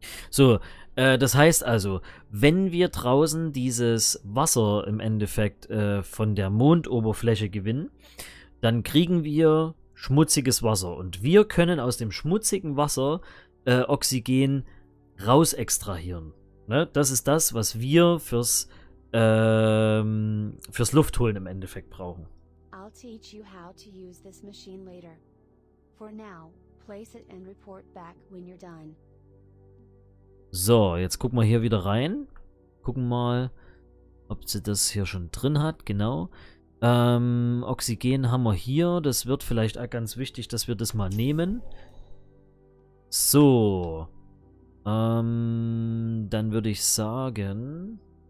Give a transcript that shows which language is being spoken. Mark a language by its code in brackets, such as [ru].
[de] So, das heißt also, wenn wir draußen dieses Wasser im Endeffekt von der Mondoberfläche gewinnen, dann kriegen wir schmutziges Wasser. Und wir können aus dem schmutzigen Wasser Oxygen raus extrahieren. Ne? Das ist das, was wir fürs Luftholen im Endeffekt brauchen. [en] I'll teach you how to use this machine later. For now, place it and report back when you're done. [de] So, jetzt gucken wir hier wieder rein. Gucken mal, ob sie das hier schon drin hat. Genau. Oxygen haben wir hier. Das wird vielleicht auch ganz wichtig, dass wir das mal nehmen. So. Dann würde ich sagen...